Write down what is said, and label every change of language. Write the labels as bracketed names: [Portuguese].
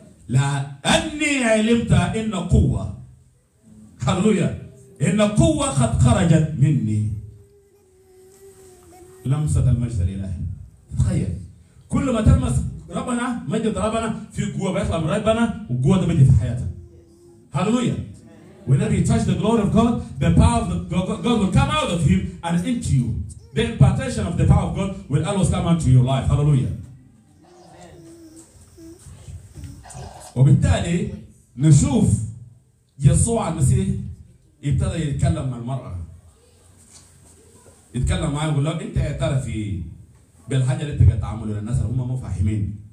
[Arabic] لاني علمت ان قوه هللويا ان قوه قد خرجت مني. لمسه المجد الالهي. تخيل كل ما تلمس ربنا مجد ربنا في قوه بيطلع من ربنا وقوه بتجي في حياتك هللويا. [English] Whenever you touch the glory of God, the power of God will come out of him and into you. The impartation of the power of God will always come into your life. Hallelujah. [Arabic] وبالتالي نشوف يسوع المسيح ابتدى يتكلم مع المرأة. يتكلم معاه ويقول له انت اعترف بالحاجة اللي انت قاعد تعمله للناس اللي هم مو فاهمين.